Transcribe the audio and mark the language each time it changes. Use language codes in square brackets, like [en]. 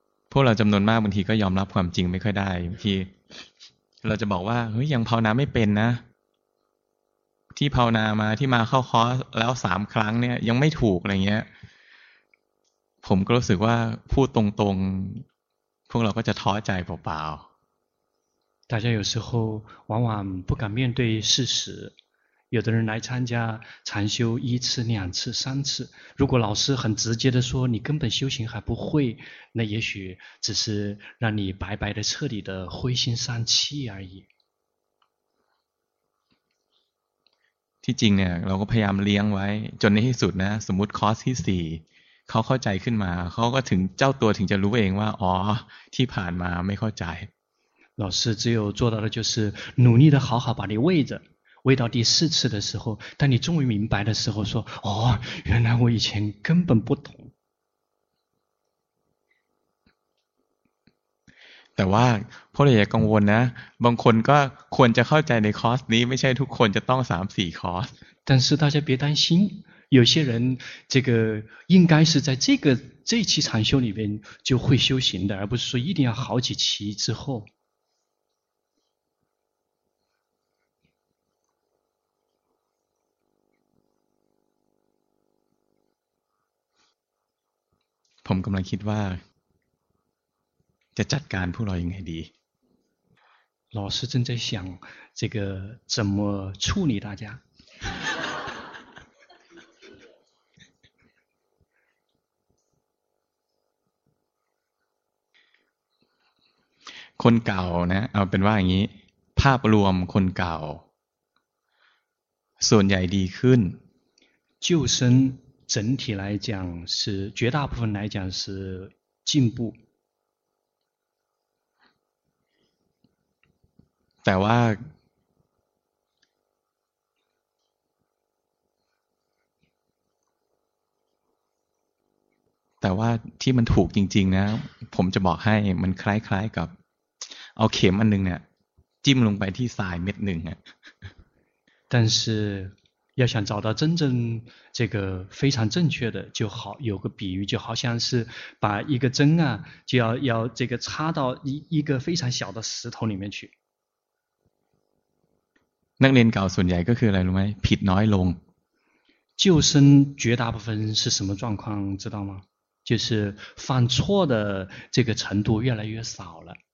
[th] พวกเราจำนวนมากบางทีก็ยอมรับความจริงไม่ค่อยได้ที่เราจะบอกว่าเฮ้ยยังภาวนาไม่เป็นนะที่ภาวนามาที่มาเข้าคอร์สแล้ว3ครั้งเนี่ยยังไม่ถูกอะไรเงี้ยผมก็รู้สึกว่าพูดตรงๆพวกเราก็จะท้อใจเปล่า [zh] ๆ大家有时候往往不敢面对事实有的人来参加禅修一次两次三次如果老师很直接的说你根本修行还不会那也许只是让你白白的彻底的灰心丧气而已 [th] ที่จริงเนี่ยเราก็พยายามเลี้ยงไว้จนในที่สุดนะสมมติคอร์สที่4เขาเข้าใจขึ้นมาเขาก็ถึงเจ้าตัวถึงจะรู้เองว่าอ๋อที่ผ่านมาไม่เข้าใจ [zh] 老师只有做到的就是努力的好好把你喂着喂到第四次的时候当你终于明白的时候说哦原来我以前根本不懂 [th] แต่ว่าพวกเราอย่ากังวลนะบางคนก็ควรจะเข้าใจในคอร์สนี้ไม่ใช่ทุกคนจะต้อง 3-4 คอร์ส [zh] 但是大家别担心有些人这个应该是在这期禅修里面就会修行的而不是说一定要好几期之后 [th] ผมกำลังคิดว่าจะจัดการพวกเรายังไงดี [zh] 老师正在想这个怎么处理大家 [th] คนเก่านะเอาเป็นว่าอย่างนี้ภาพรวมคนเก่าส่วนใหญ่ดีขึ้น [zh] 旧生整体来讲是绝大部分来讲是进步 [th] แต่ว่าที่มันถูกจริงๆนะผมจะบอกให้มันคล้ายๆกับเอาเข็มอันนึงเนี่ยจิ้มลงไปที่สายเม็ดหนึ่งอ่ะ [zh] 但是要想找到真正这个非常正确的就好有个比喻就好像是把一个针啊就要这个插到一个非常小的石头里面去 [th] นักเรียนเก่าส่วนใหญ่ก็คืออะไรรู้ไหมผิดน้อยลง [zh] 旧生绝大部分是什么状况知道吗就是犯错的这个程度越来越少了